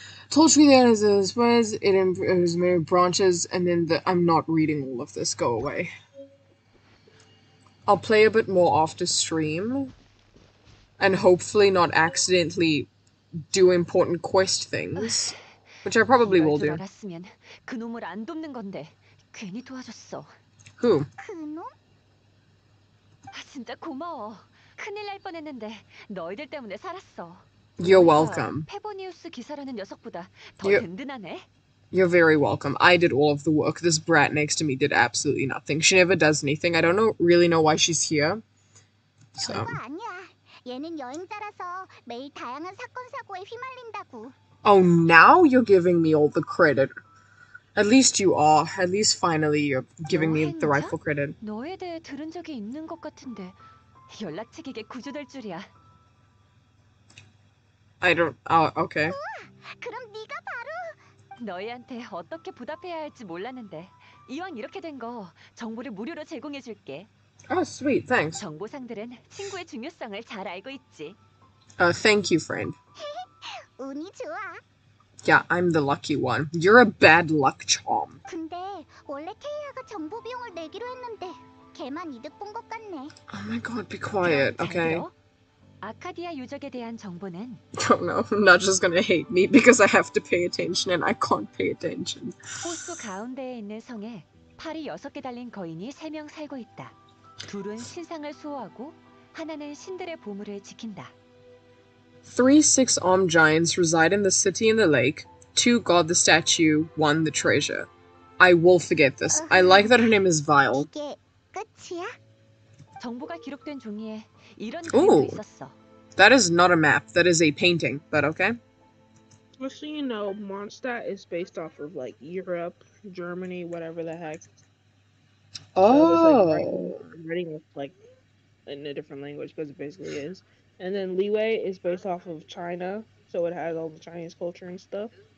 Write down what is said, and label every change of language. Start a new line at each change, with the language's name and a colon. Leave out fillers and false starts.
English: Told you that as it was, it was made of branches, and then I'm not reading all of this. Go away. I'll play a bit more after stream. And hopefully not accidentally do important quest things. Which I probably will do.
Korean: 알았으면 그 놈을 안 돕는 건데 괜히 도와줬어.
English: Who?
Korean: 그 놈? 아 진짜 고마워. 큰일 날 뻔했는데 너희들 때문에 살았어.
English: You're welcome.
Korean: 페보니우스 기사라는 녀석보다 더 든든하네.
English: You're very welcome. I did all of the work. This brat next to me did absolutely nothing. She never does anything. I don't know, really know why she's here. So.
Korean: 아니야. 얘는 여행자라서 매일 다양한 사건 사고에 휘말린다고.
English: Oh, now you're giving me all the credit. At least you are. At least finally you're giving me the rightful credit.
Korean: 너에 대해 들은 적이 있는 것 같은데 연락책에게 구조될 줄이야.
English: I don't. Okay.
Korean: 그럼 네가 바로. 너희한테 어떻게 보답해야 할지 몰랐는데 이왕 이렇게 된 거 정보를 무료로 제공해 줄게.
English: Oh, sweet. Thanks.
Korean: 정보상들은 친구의 중요성을 잘 알고 있지.
English: Thank you, friend.
Korean: 운이 좋아.
English: Yeah, I'm the lucky one. You're a bad luck charm.
Korean: 근데 원래 케이아가 정보 비용을 내기로 했는데 걔만 이득 본 것 같네.
English: Oh my god, be quiet. Okay.
Korean: 아카디아 유적에 대한 정보는
English: Oh no, I'm not just gonna hate me because I have to pay attention and I can't pay attention.
Korean: 호수 가운데에 있는 성에 팔이 여섯 개 달린 거인이 세 명 살고 있다. 둘은 신상을 수호하고 하나는 신들의 보물을 지킨다.
English: Three six-armed giants reside in the city and the lake. Two guard the statue, one the treasure. I will forget this. I like that her name is Vile.
Korean: 이게 끝이야? 정보가 기록된 종이에 이런 그림도 있었어.
English: That is not a map. That is a painting. But okay. Well, so you know, Mondstadt is based off of like Europe, Germany, whatever the heck. Oh. So like, writing with like in a different language because it basically is. And then Liwei is based off of China, so it has all the Chinese culture and stuff.